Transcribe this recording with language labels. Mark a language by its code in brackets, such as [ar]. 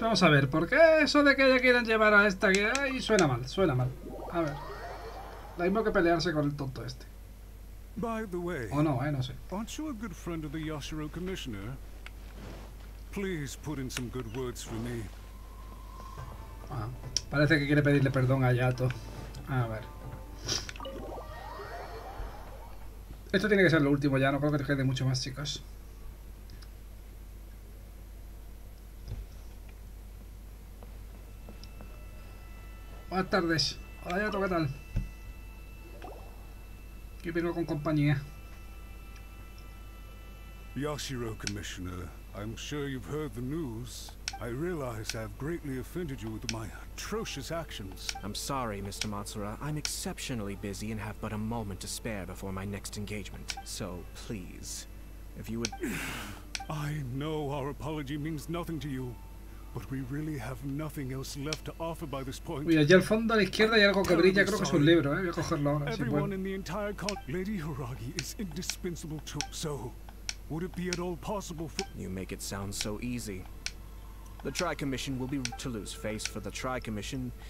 [es] Vamos a ver, ¿por qué eso de que ya quieren llevar a esta guía? Y suena mal, suena mal. A ver. Lo mismo que pelearse con el tonto este. [en] By the way, [es] o no, no sé. [en] Aren't you a good friend of the Yashiro Commissioner? Please put in some good words for me. [es] Ah, parece que quiere pedirle perdón a Ayato. A ver. Esto tiene que ser lo último ya, no creo que te quede mucho más, chicos. Buenas tardes. Hola, Ayato, ¿qué tal? Yo vengo con compañía. [en] Yashiro Commissioner, I'm sure you've heard the news. I realize I've greatly offended you with my atrocious actions. I'm sorry, Mr. Matsura. I'm exceptionally busy and have but a moment to spare before my next engagement. So, please, if you would... I know our apology means nothing to you, but we really have nothing else left to offer by this point. [es] Mira, allá al fondo a la izquierda hay algo que brilla, creo que es un libro, Voy a cogerlo ahora, [en] Everyone in the entire con- Lady Haragi is indispensable to- So, would it be at all possible for- You make it sound so easy. The Tri-Commission will be to lose face for the Tri-Commission.